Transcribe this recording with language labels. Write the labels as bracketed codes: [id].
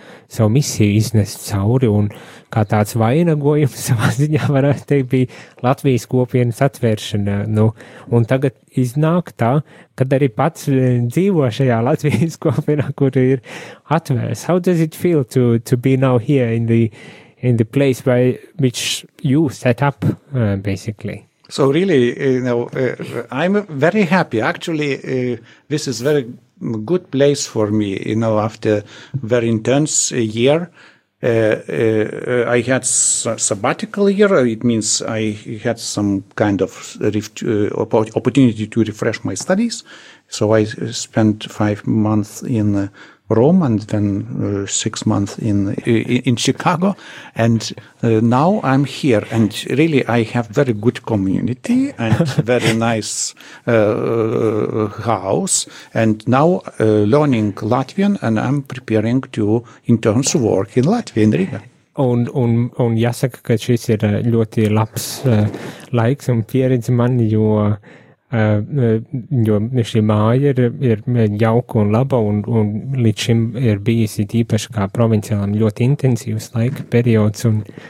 [lv] savu misiju iznest cauri, un kā tāds vainagojums savā ziņā varētu teikt bija Latvijas kopienas atvēršana, nu, un tagad iznāk tā, kad arī pats dzīvo šajā Latvijas kopienā, kur ir atvērs. [en] How does it feel to be now here in the place where which you set up, basically? So really, you know, I'm very happy. Actually, this is very good place for me, you know, after very intense year. I had sabbatical year. It means I had some kind of opportunity to refresh my studies. So I spent 5 months in Rome and then 6 months in Chicago. And now I'm here. And really, I have very good community and very nice house. And now learning Latvian, and I'm preparing to interns work in Latvia, in Riga. [lv] Un jāsaka, ka šis ir ļoti labs laiks un pieredze man, jo šī māja ir jauka un laba un līdz šim ir bijis īpaši kā provinciālam ļoti intensīvs laika periods un